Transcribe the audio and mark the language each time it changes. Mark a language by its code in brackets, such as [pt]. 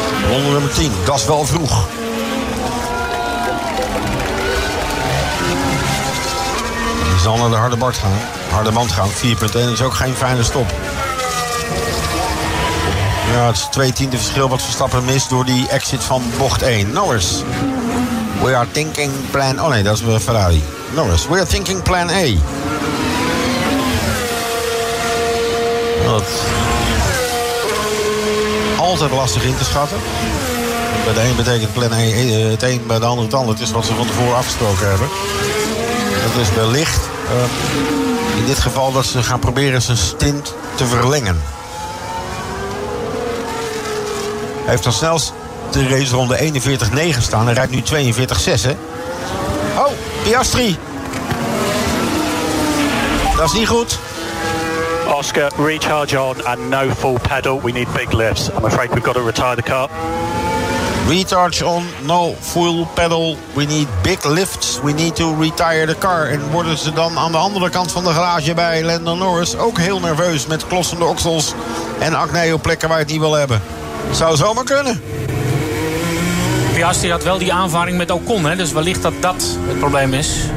[nl] Ronde nummer 10, dat is wel vroeg. Hij zal naar de harde band gaan. Harde band gaan, 4.1 is ook geen fijne stop. Ja, het is 2/10 verschil wat Verstappen mist door die exit van bocht 1. [en] Norris, we are thinking plan... [nl] Oh nee, dat is Ferrari. [en] Norris, we are thinking plan A. [nl] Dat altijd lastig in te schatten. Bij de een betekent plan A het een, bij de ander het ander. Het is wat ze van tevoren afgesproken hebben. Dat is wellicht in dit geval dat ze gaan proberen zijn stint te verlengen. Hij heeft dan zelfs de race ronde 41-9 staan. Hij rijdt nu 42-6, hè? Oh, Piastri. Dat is niet goed. [en] Oscar, recharge on and no full pedal. We need big lifts. I'm afraid we've got to retire the car. Recharge on, no full pedal. We need big lifts. We need to retire the car. [nl] En worden ze dan aan de andere kant van de garage bij Lando Norris ook heel nerveus met klossende oksels en acne op plekken waar je het niet wil hebben. Zou zomaar kunnen. Piastri had wel die aanvaring met Ocon, hè? Dus wellicht dat dat het probleem is.